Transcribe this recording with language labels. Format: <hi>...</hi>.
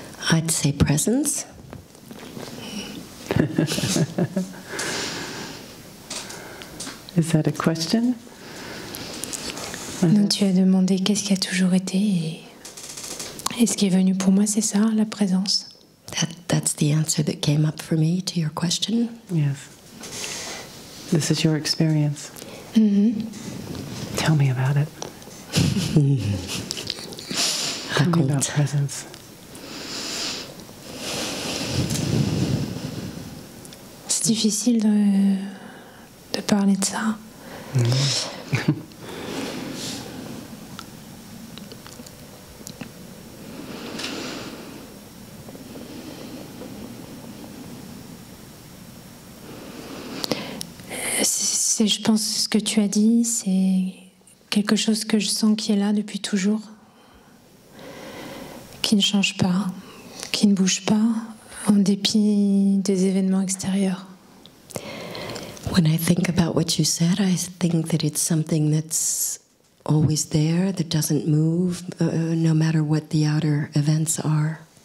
<en>I'd say presence. Is that a question?</en> <fr>Non, tu as demandé qu'est-ce qui a toujours été et ce qui est venu pour moi, c'est ça, la présence.</fr> <en>That's the answer that came up for me to your question. Yes. This is your experience. Mm-hmm. Tell me about it.</en> <fr>Raconte.</fr> <en>Tell me about presence.</en> <fr>C'est difficile de parler de ça. C'est, je pense, ce que tu as dit, c'est quelque chose que je sens qui est là depuis toujours, qui ne change pas, qui ne bouge pas, en dépit des événements extérieurs.</fr> <en>When I think about what you said, I think that it's something that's always there, that doesn't move, no matter what the outer events are.</en>